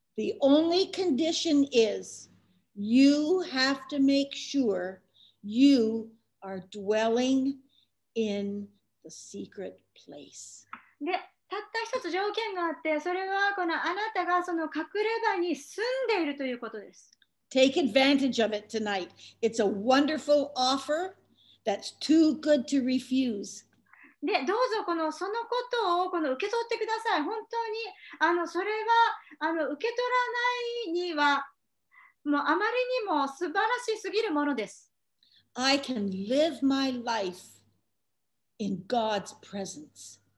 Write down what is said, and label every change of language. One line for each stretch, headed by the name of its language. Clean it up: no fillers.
English: The only condition is you have to make sure you are dwelling in the secret place.
Japanese: で、たった一つ条件があって、それはこのあなたがその隠れ場に住んでいるということです。
English: Take advantage of it tonight. It's a wonderful offer that's too good to refuse.
Japanese: で、どうぞそのことを受け取ってください。本当にそれは受け取らないにはもうあまりにも素晴らしすぎるものです。
English: I can live my life in God's presence.